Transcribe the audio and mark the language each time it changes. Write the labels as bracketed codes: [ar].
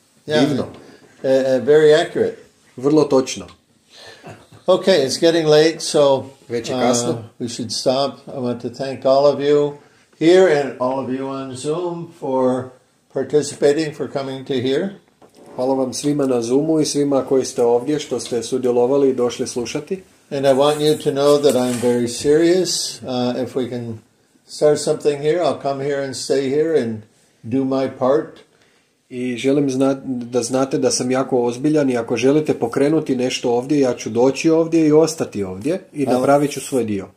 [en] Yeah, very accurate. [hr] Vrlo točno. [en] Okay, it's getting late, so we should stop. I want to thank all of you here and all of you on Zoom for participating, for coming to hear. [hr] Hvala vam svima na Zoomu i svima koji ste ovdje, što ste sudjelovali i došli slušati. [en] And I want you to know that I'm very serious. If we can start something here, I'll come here and stay here and do my part. [hr] I želim da znate da sam jako ozbiljan i ako želite pokrenuti nešto ovdje, ja ću doći ovdje i ostati ovdje i napravit ću svoj dio.